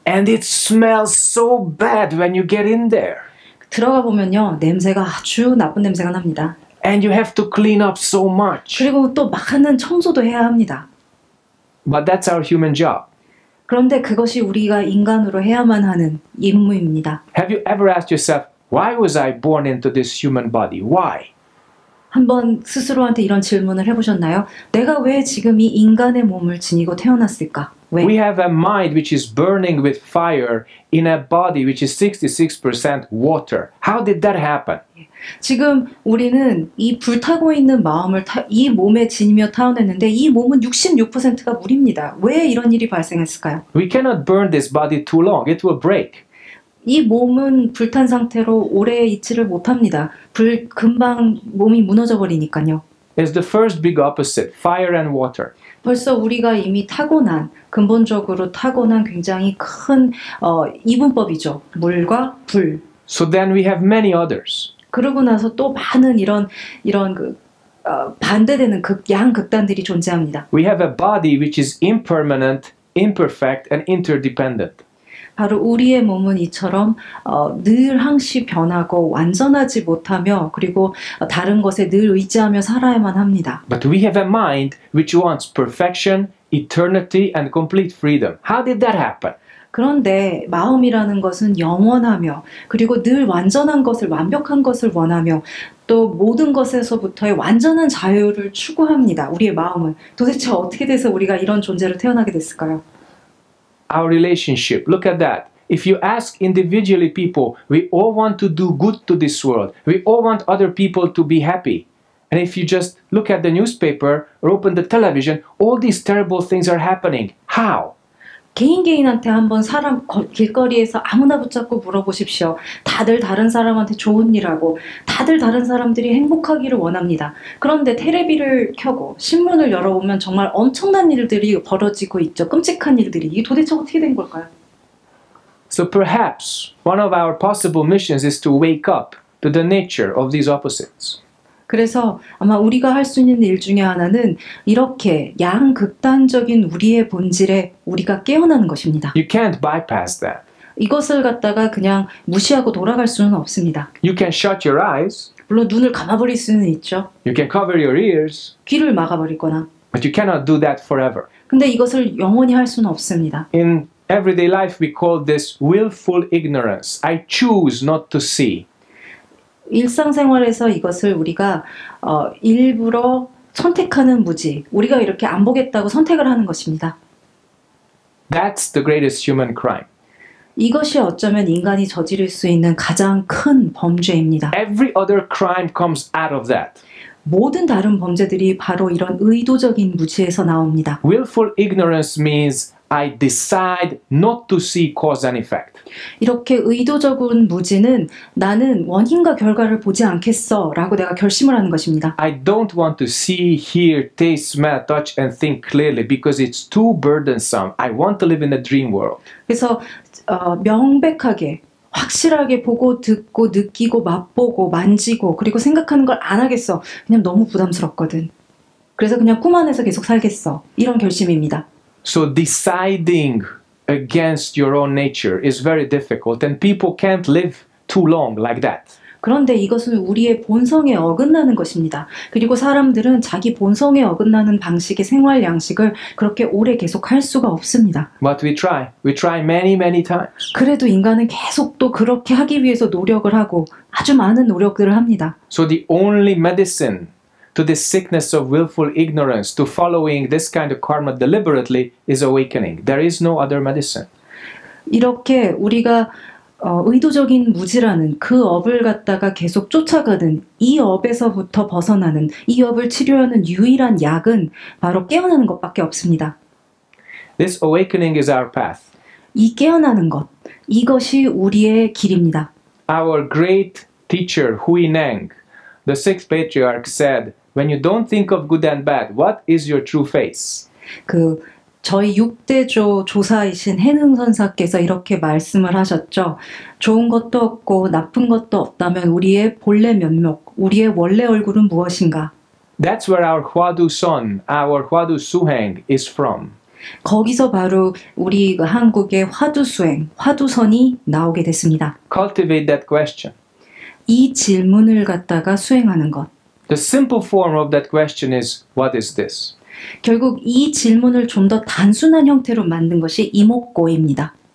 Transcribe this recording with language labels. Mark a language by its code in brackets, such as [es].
[en] And it smells so bad when you get in there. [ko] 들어가 보면요 냄새가 아주 나쁜 냄새가 납니다. [en] And you have to clean up so much. [ko] 그리고 또 많은 청소도 해야 합니다. [en] But that's our human job. [ko] 그런데 그것이 우리가 인간으로 해야만 하는 임무입니다. [en] Have you ever asked yourself, Why was I born into this human body? Why? [ko] 한번 스스로한테 이런 질문을 해보셨나요? 내가 왜 지금 이 인간의 몸을 지니고 태어났을까? 왜? [en] We have a mind which is burning with fire in a body which is 66% water. How did that happen? [ko] 지금 우리는 이 불타고 있는 마음을 이 몸에 지니며 태어났는데 이 몸은 66%가 물입니다. 왜 이런 일이 발생했을까요? [en] We cannot burn this body too long. It will break. [ko] 이 몸은 불탄 상태로 오래 있지를 못합니다. 불 금방 몸이 무너져 버리니까요. [en] It's the first big opposite, fire and water. [ko] 벌써 우리가 이미 타고난 근본적으로 타고난 굉장히 큰 이분법이죠. 물과 불. [en] So then we have many others. [ko] 그러고 나서 또 많은 이런 그 반대되는 극양 극단들이 존재합니다. [en] We have a body which is impermanent, imperfect and interdependent. [ko] 바로 우리의 몸은 이처럼 늘 항시 변하고 완전하지 못하며 그리고 다른 것에 늘 의지하며 살아야만 합니다. [en] But we have a mind which wants perfection, eternity and complete freedom. How did that happen? [ko] 그런데 마음이라는 것은 영원하며 그리고 늘 완전한 것을 완벽한 것을 원하며 또 모든 것에서부터의 완전한 자유를 추구합니다. 우리의 마음은 도대체 어떻게 돼서 우리가 이런 존재로 태어나게 됐을까요? [en] Our relationship. Look at that. If you ask individually people, we all want to do good to this world. We all want other people to be happy. And if you just look at the newspaper or open the television, all these terrible things are happening. How? [ko] 개인한테 한번 사람 길거리에서 아무나 붙잡고 물어보십시오. 다들 다른 사람한테 좋은 일하고 다들 다른 사람들이 행복하기를 원합니다. 그런데 테레비를 켜고 신문을 열어보면 정말 엄청난 일들이 벌어지고 있죠. 끔찍한 일들이. 이게 도대체 어떻게 된 걸까요? [en] So perhaps one of our possible missions is to wake up to the nature of these opposites. [ko] 그래서 아마 우리가 할 수 있는 일 중에 하나는 이렇게 양극단적인 우리의 본질에 우리가 깨어나는 것입니다. [en] You can't bypass that. [ko] 이것을 갖다가 그냥 무시하고 돌아갈 수는 없습니다. [en] You can shut your eyes. [ko] 물론 눈을 감아버릴 수는 있죠. [en] You can cover your ears. [ko] 귀를 막아버리거나. [en] But you cannot do that forever. [ko] 근데 이것을 영원히 할 수는 없습니다. [en] In everyday life, we call this willful ignorance. I choose not to see. [ko] 일상생활에서 이것을 우리가 일부러 선택하는 무지, 우리가 이렇게 안 보겠다고 선택을 하는 것입니다. [en] That's the greatest human crime. [ko] 이것이 어쩌면 인간이 저지를 수 있는 가장 큰 범죄입니다. [en] Every other crime comes out of that. [ko] 모든 다른 범죄들이 바로 이런 의도적인 무지에서 나옵니다. [en] Willful ignorance means I decide not to see cause and effect. [ko] 이렇게 의도적인 무지는 나는 원인과 결과를 보지 않겠어라고 내가 결심을 하는 것입니다. [en] I don't want to see, hear, taste, smell, touch and think clearly because it's too burdensome. I want to live in a dream world. [ko] 그래서 명백하게 확실하게 보고 듣고 느끼고 맛보고 만지고 그리고 생각하는 걸 안 하겠어. 그냥 너무 부담스럽거든. 그래서 그냥 꿈 안에서 계속 살겠어. 이런 결심입니다. [en] So deciding against your own nature is very difficult and people can't live too long like that. [ko] 그런데 이것은 우리의 본성에 어긋나는 것입니다. 그리고 사람들은 자기 본성에 어긋나는 방식의 생활 양식을 그렇게 오래 계속 할 수가 없습니다. [en] But we try. We try many, many times. [ko] 그래도 인간은 계속 또 그렇게 하기 위해서 노력을 하고 아주 많은 노력들을 합니다. [en] So the only medicine to this sickness of willful ignorance, to following this kind of karma deliberately, is awakening. There is no other medicine. [ko] 이렇게 우리가 의도적인 무지라는 그 업을 갖다가 계속 쫓아가는 이 업에서부터 벗어나는 이 업을 치료하는 유일한 약은 바로 깨어나는 것밖에 없습니다. [en] This awakening is our path. [ko] 이 깨어나는 것, 이것이 우리의 길입니다. [en] Our great teacher, Hui Neng, the sixth patriarch said, when you don't think of good and bad, what is your true face? [ko] 그 저희 6대조 조사이신 해능 선사께서 이렇게 말씀을 하셨죠. 좋은 것도 없고 나쁜 것도 없다면 우리의 본래 면목, 우리의 원래 얼굴은 무엇인가? [en] That's where our Huadu Son, our Huadu Suheng is from. [ko] 거기서 바로 우리 한국의 화두 수행, 화두선이 나오게 됐습니다. [en] Cultivate that question. [ko] 이 질문을 갖다가 수행하는 것. [en] The simple form of that question is, what is this? [ko] 결국 이 질문을 좀 더 단순한 형태로 만든 것이 이목고입니다.